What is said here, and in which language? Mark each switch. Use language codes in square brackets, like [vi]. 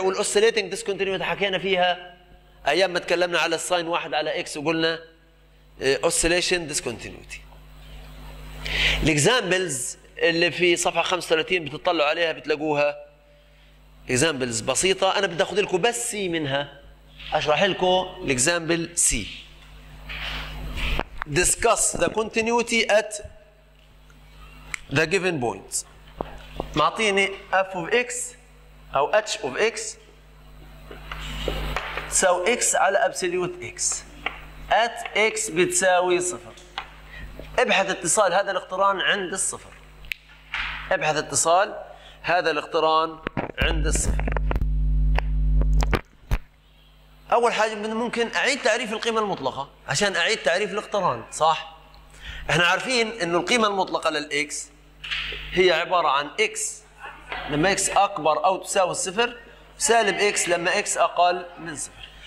[ar] والاوسيليتنج ديسكونتينيوتي حكينا فيها ايام ما تكلمنا على الساين واحد على اكس وقلنا اوسيليشن ديسكونتينيوتي. الاكزامبلز اللي في صفحه 35 بتطلعوا عليها بتلاقوها اكزامبلز بسيطة، أنا بدي أخذ لكم بس سي منها أشرح لكم الاكزامبل سي. [en] Discuss the continuity at the given points. [ar] معطيني f of x أو h of x تساوي x على absolute x at x بتساوي صفر. ابحث اتصال هذا الاقتران عند الصفر. ابحث اتصال هذا الاقتران عند الصفر. أول حاجة ممكن أعيد تعريف القيمة المطلقة عشان أعيد تعريف الاقتران، صح؟ إحنا عارفين إنه القيمة المطلقة للإكس هي عبارة عن إكس لما إكس أكبر أو تساوي الصفر، سالب إكس لما إكس أقل من صفر.